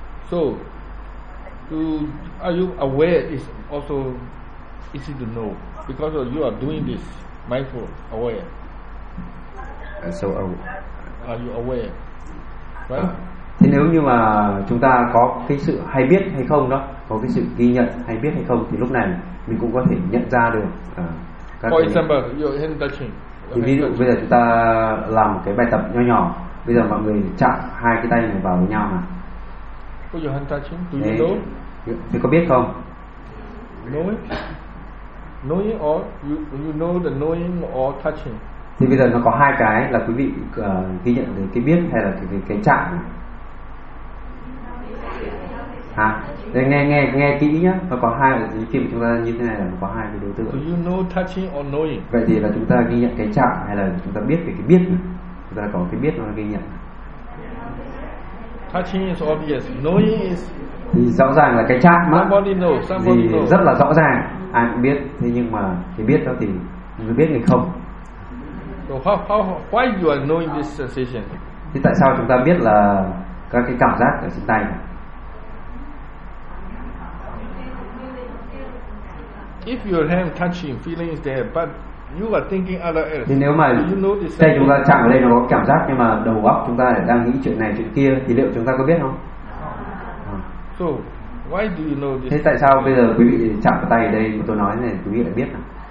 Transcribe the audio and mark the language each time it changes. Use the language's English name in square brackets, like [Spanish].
[English] So to are you aware is also easy to know because you are doing this mindful aware. So are you aware? Right? [Vietnamese] Thì nếu như mà chúng ta có cái sự hay biết hay không đó, có cái sự ghi nhận hay biết hay không, thì lúc này mình cũng có thể nhận ra được. [English] For example, your hand touching. [Vietnamese] Thì ví dụ bây giờ chúng ta làm một cái bài tập nhỏ nhỏ. Bây giờ mọi người chạm hai cái tay này vào với nhau mà. [English] Put your hand touching. Do you know? [Vietnamese] Thì có biết không? [English] Knowing or you know the knowing or touching. [Vietnamese] Thì bây giờ nó có hai cái là quý vị ghi nhận được cái biết hay là cái chạm. Hả? Để nghe kỹ nhá. Nó có hai cái khi mà chúng ta như thế này là nó có hai cái đối tượng. [English] Do you know touching or knowing? [Vietnamese] Vậy thì là chúng ta ghi nhận cái chạm hay là chúng ta biết về cái biết này. Chúng ta có cái biết nó ghi nhận. [English] Touching is obvious. Knowing is [Vietnamese] thì rõ ràng là cái chạm mà. [English] Somebody know. Somebody know. [Vietnamese] Rất là rõ ràng. Ai cũng biết. Thế nhưng mà cái biết đó thì người biết người không. [English] So how why you are knowing this sensation? [Vietnamese] Thì tại sao chúng ta biết là các cái cảm giác ở trên tay? [English] If your hand touching, feeling is there, but you are thinking other else. [Vietnamese] Thì nếu mà tay chúng ta chạm ở đây nó có cảm giác, nhưng mà đầu óc chúng ta lại đang nghĩ chuyện này chuyện kia, thì liệu chúng ta có biết không? [English] So why do you know this? [Vietnamese] Thế tại sao bây giờ quý vị chạm vào tay ở đây mà tôi nói này quý vị lại biết nào?